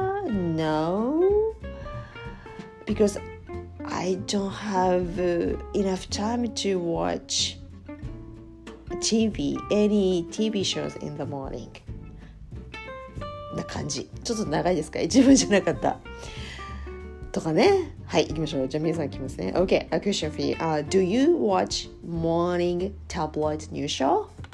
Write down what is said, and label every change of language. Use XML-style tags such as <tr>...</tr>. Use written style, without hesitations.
<en>No, because I don't have enough time to watch TV, any TV shows in the morning.</en> <ja>な感じ。ちょっと長いですか、一文じゃなかったとかね。はい、行きましょう。じゃあ皆さん行きますね。</ja> <en>OK, a question for you、Do you watch morning tabloid news show?</en>